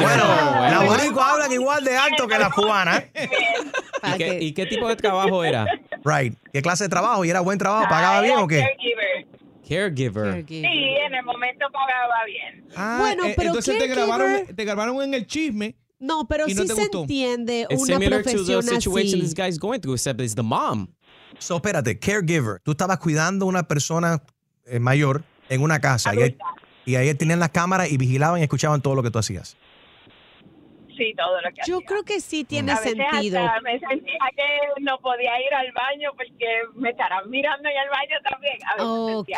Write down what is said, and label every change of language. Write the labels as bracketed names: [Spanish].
[Spanish] Bueno, las boricuas hablan igual de alto que las cubanas. ¿Y qué tipo de trabajo era? Right. ¿Qué clase de trabajo? ¿Y era buen trabajo? ¿Pagaba bien o qué? [English] Caregiver. [Spanish] Sí, en el momento pagaba bien. Ah, bueno, pero entonces te grabaron en el chisme. No, pero no sí se entiende una profesión así. [English] Situation this guy's going through, except it's the mom. [Spanish] So, espérate, caregiver. Tú estabas cuidando a una persona mayor en una casa. Y ahí tenían las cámaras y vigilaban y escuchaban todo lo que tú hacías. Sí, todo lo que yo hacía. Yo creo que sí tiene sentido. Hasta me sentía que no podía ir al baño porque me estarán mirando en el baño también.